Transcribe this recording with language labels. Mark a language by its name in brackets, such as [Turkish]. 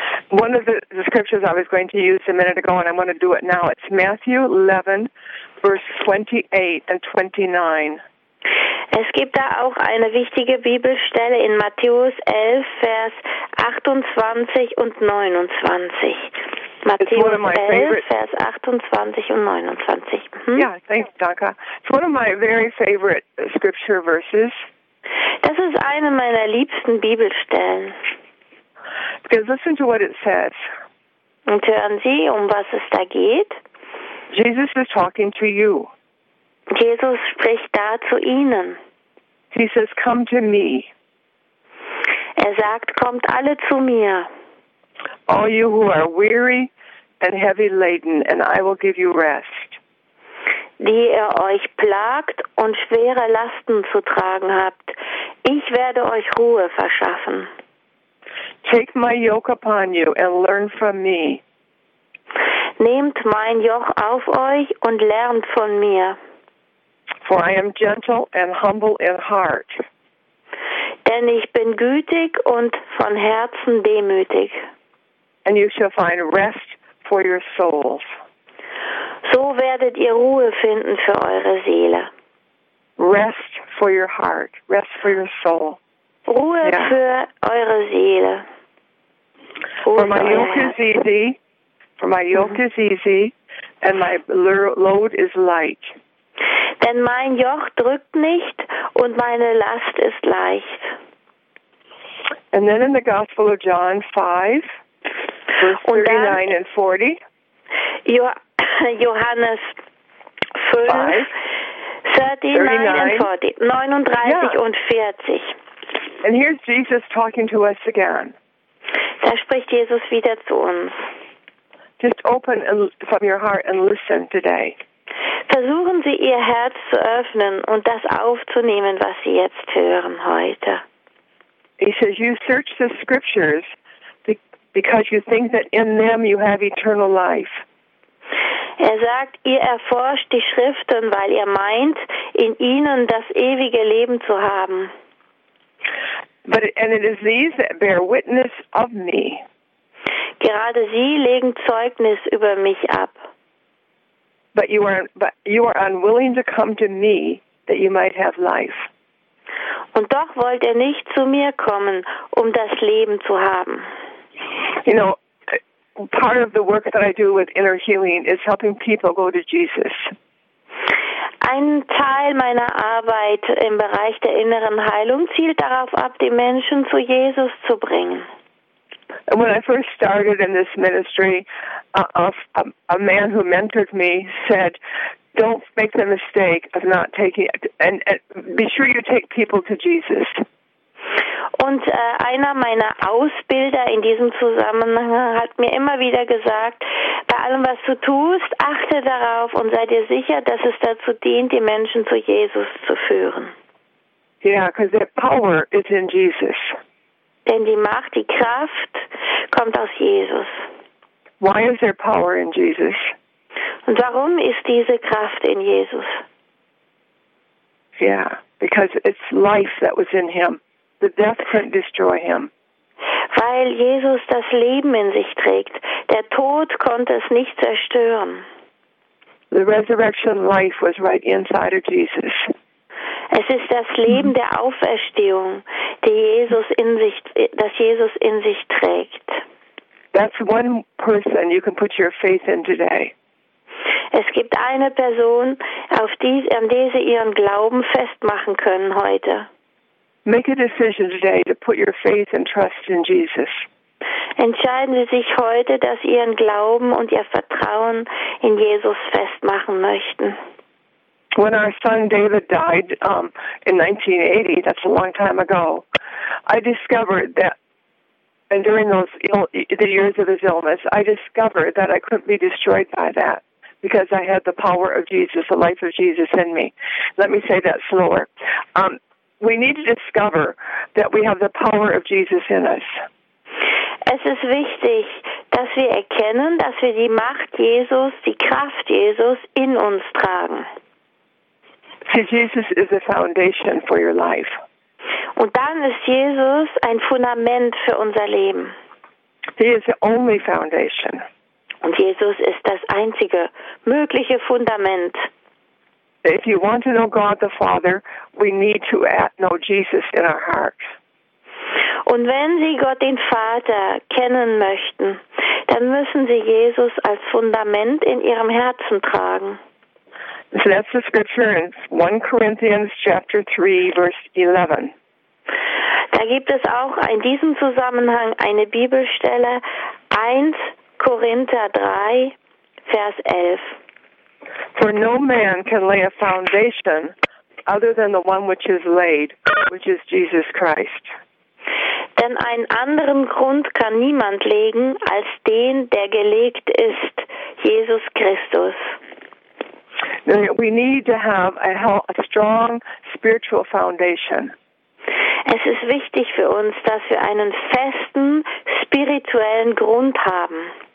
[English] One of the scriptures I was going to use a minute ago, and I'm going to do it now. It's Matthew 11, verse 28 and 29. [German] Es gibt da auch eine wichtige Bibelstelle in Matthäus 11, Vers 28 und 29. [English] It's one of my very favorite scripture verses. [German] Das ist eine meiner liebsten Bibelstellen. [English] Because listen to what it says. [German] Und hören Sie, um was es da geht? [English] Jesus is talking to you. [German] Jesus spricht da zu Ihnen. [English] He says, come to me. [German] Er sagt, kommt alle zu mir. [English] All you who are weary and heavy laden, and I will give you rest. [German] Die ihr euch plagt und schwere Lasten zu tragen habt, ich werde euch Ruhe verschaffen. [English] Take my yoke upon you and learn from me. [German] Nehmt mein Joch auf euch und lernt von mir. [English] For I am gentle and humble in heart. [German] Denn ich bin gütig und von Herzen demütig. [English] And you shall find rest for your souls. [German] So werdet ihr Ruhe finden für eure Seele. [English] Rest for your heart. Rest for your soul. [German] Ruhe yeah. Für eure Seele. [English] For my yoke is easy, for my yoke is easy, and my load is light. [German] denn mein Joch drückt nicht und meine Last ist leicht. [English] And then in the Gospel of John 5, verse 39 and 40. [German] Johannes 39 und 40. [English] And here's Jesus talking to us again. [German] Da spricht Jesus wieder zu uns. [English] Just open from your heart and listen today. [German] Versuchen Sie, Ihr Herz zu öffnen und das aufzunehmen, was Sie jetzt hören heute. [English] He says, you search the scriptures because you think that in them you have eternal life. [German] Er sagt, ihr erforscht die Schriften, weil ihr meint, in ihnen das ewige Leben zu haben. [English] But, and it is these that bear witness of me. [German] Gerade sie legen Zeugnis über mich ab. [English] But you are unwilling to come to me that you might have life. [German] Und doch wollt ihr nicht zu mir kommen, um das Leben zu haben. [English] You know, part of the work that I do with inner healing is helping people go to Jesus. [German] Ein Teil meiner Arbeit im Bereich der inneren Heilung zielt darauf ab, die Menschen zu Jesus zu bringen. [English] And when I first started in this ministry, a man who mentored me said, "Don't make the mistake of not taking it, and be sure you take people to Jesus." [German] Und einer meiner Ausbilder in diesem Zusammenhang hat mir immer wieder gesagt, bei allem, was du tust, achte darauf und sei dir sicher, dass es dazu dient, die Menschen zu Jesus zu führen. [English] Yeah, 'cause their power is in Jesus. [German] Denn die Macht, die Kraft kommt aus Jesus. [English] Why is their power in Jesus? [German] Und warum ist diese Kraft in Jesus? [English] Yeah, because it's life that was in him. The death couldn't destroy him. [German] Weil Jesus das Leben in sich trägt. Der Tod konnte es nicht zerstören. [English] The resurrection life was right inside of Jesus. [German] Es ist das Leben der Auferstehung, das Jesus in sich trägt. [English] That's one person you can put your faith in today. [German] Es gibt eine Person, an die Sie Ihren Glauben festmachen können heute. [English] Make a decision today to put your faith and trust in Jesus. [German] Entscheiden Sie sich heute, dass Sie Ihren Glauben und Ihr Vertrauen in Jesus festmachen möchten. [English] When our son David died in 1980, that's a long time ago, I discovered that, and during the years of his illness, I discovered that I couldn't be destroyed by that. Because I had the power of Jesus, the life of Jesus in me. Let me say that slower. We need to discover that we have the power of Jesus in us. [German] Es ist wichtig, dass wir erkennen, dass wir die Macht Jesus, die Kraft Jesus in uns tragen. [English] See, Jesus is the foundation for your life. [German] Und dann ist Jesus ein Fundament für unser Leben. [English] He is the only foundation. [German] Und Jesus ist das einzige mögliche Fundament. [English] If you want to know God the Father, we need to know Jesus in our hearts. [German] Und wenn Sie Gott den Vater kennen möchten, dann müssen Sie Jesus als Fundament in Ihrem Herzen tragen. [English] So that's the scripture in 1 Corinthians chapter 3, verse 11. [German] Da gibt es auch in diesem Zusammenhang eine Bibelstelle, 1 Korinther 3, Vers 11. [English] For no man can lay a foundation other than the one which is laid, which is Jesus Christ. [German] Denn einen anderen Grund kann niemand legen als den, der gelegt ist, Jesus Christus. [English] We need to have a strong spiritual foundation. [German] Es ist wichtig für uns, dass wir einen festen spirituellen Grund haben.